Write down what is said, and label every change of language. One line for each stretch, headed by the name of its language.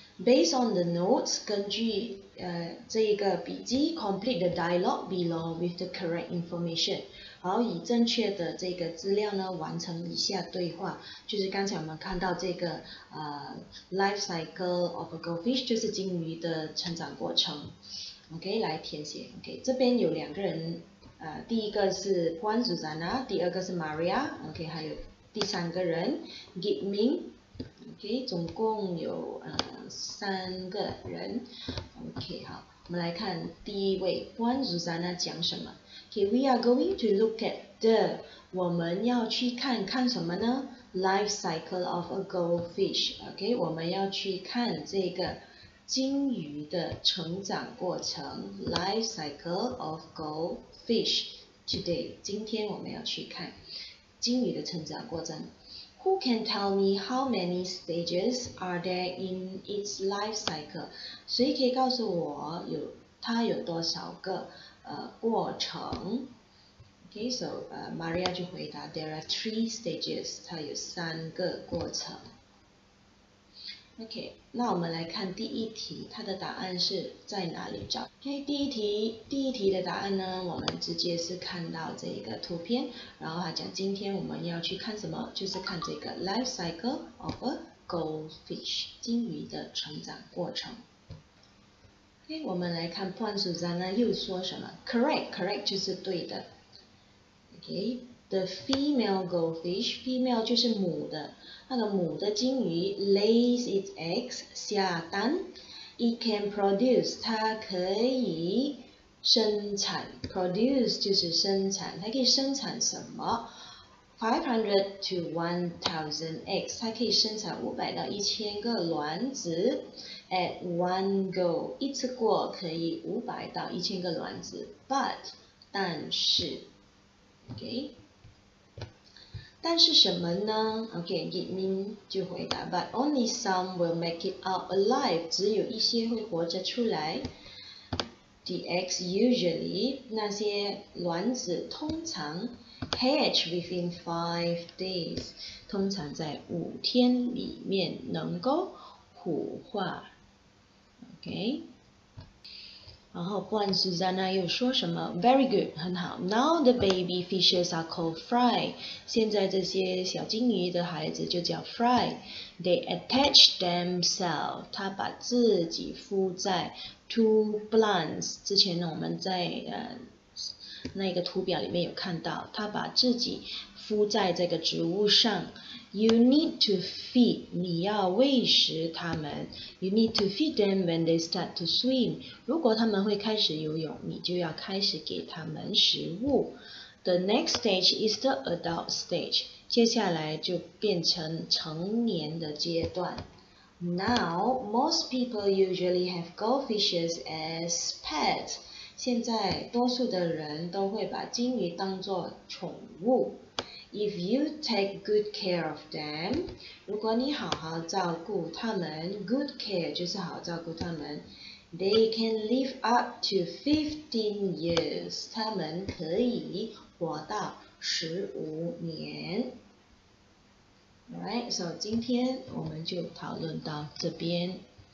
English: Based on the notes，
Chinese: 根据这一个笔记 ，
English: complete the dialogue below with the correct information，
Chinese: 好，以正确的这个资料呢完成以下对话，就是刚才我们看到这个
English: life cycle of a goldfish，
Chinese: 就是鲸鱼的成长过程 ，OK， 来填写 ，OK， 这边有两个人，第一个是 Juan Susana， 第二个是 Maria，OK，、okay， 还有第三个人 Gitmin。 OK， 总共有三个人。 OK， 好，我们来看第一位 Juan Susana 讲什么。
English: OK， we are going to look at the，
Chinese: 我们要去看看什么呢？
English: Life cycle of a goldfish。
Chinese: OK， 我们要去看这个鲸鱼的成长过程。
English: Life cycle of goldfish today。
Chinese: 今天我们要去看鲸鱼的成长过程。
English: Who can tell me how many stages are there in its life cycle?
Chinese: 谁可以告诉我它有多少个过程？
English: Okay, so Maria
Chinese: 就回答
English: ，There are 3 stages.
Chinese: 它有三个过程。 Okay, 那我们来看第一题，它的答案是在哪里找 ？Okay, 第一题的答案呢，我们直接是看到这个图片，然后它讲今天我们要去看什么，就是看这个
English: life cycle of a goldfish，
Chinese: 鲸鱼的成长过程。 Okay, 我们来看 Juan Susana 又说什么 ？Correct， 就是对的。Okay,
English: The female goldfish, female
Chinese: 就是母的，那个母的鲸鱼
English: lays its eggs
Chinese: 下蛋 ，
English: it can produce
Chinese: 它可以生产 ，produce 就是生产，它可以生产什么 ？500 to 1000 eggs， 它可以生产500到1000个卵子 ，
English: at one go
Chinese: 一次过可以500到1000个卵子 ，but 但是 ，OK。但是什么呢 ？OK,
English: it means
Chinese: 就回答 ，
English: but only some will make it out alive，
Chinese: 只有一些会活着出来。
English: The eggs usually
Chinese: 那些卵子通常
English: hatch within 5 days，
Chinese: 通常在5天里面能够孵化。OK。然后 Juan Susanna 又说什么 ？Very good， 很好。
English: Now the baby fishes are called fry。
Chinese: 现在这些小金鱼的孩子就叫 fry。
English: They attach themselves，
Chinese: 他把自己附在
English: to plants。
Chinese: 之前呢，我们在那个图表里面有看到，他把自己附在这个植物上。
English: You need to feed，
Chinese: 你要喂食它们。
English: You need to feed them when they start to swim，
Chinese: 如果它们会开始游泳，你就要开始给它们食物。
English: The next stage is the adult stage，
Chinese: 接下来就变成成年的阶段。
English: Now most people usually have goldfishes as pets，
Chinese: 现在多数的人都会把金鱼当作宠物。
English: If you take good care of them，
Chinese: 如果你好好照顾他们
English: ，good care
Chinese: 就是好照顾他们
English: ，they can live up to 15 years，
Chinese: 他们可以活到15年。
English: Alright， so
Chinese: 今天我们就讨论到这边。